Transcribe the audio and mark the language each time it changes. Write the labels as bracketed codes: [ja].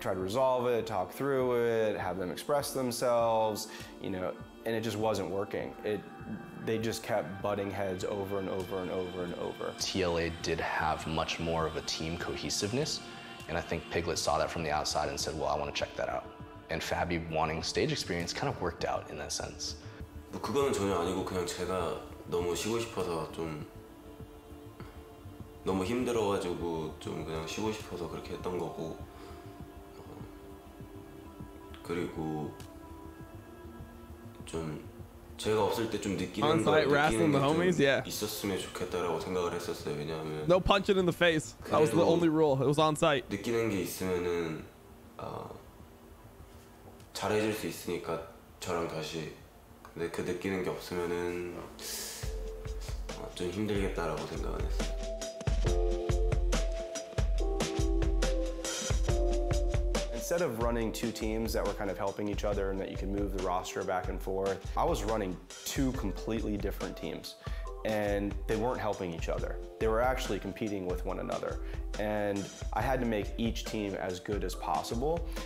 [en] Try to resolve it, talk through it, have them express themselves, you know, and it just wasn't working. They just kept butting heads over and over and over and over. TLA did have much more of a team cohesiveness, and I think Piglet saw that from the outside and said, well, I want to check that out. And Fabi wanting stage experience kind of worked out in that sense. [ko] 그거는 전혀 아니고 그냥 제가 너무 쉬고 싶어서 좀 너무 힘들어가지고 좀 그냥 쉬고 싶어서 그렇게 했던 거고 그리고 좀 제가 없을 때 좀 느끼는 거 느끼는 게 좀 있었으면 좋겠다라고 생각을 했었어요 왜냐하면 [en] No punching in the face. That was the only rule. It was on site. [ko] 느끼는 게 있으면은 잘해줄 수 있으니까 저랑 다시 근데 그 느끼는 게 없으면은 좀 힘들겠다라고 생각을 했어요 [en] Instead of running two teams that were kind of helping each other and that you could move the roster back and forth, I was running two completely different teams and they weren't helping each other. They were actually competing with one another and I had to make each team as good as possible.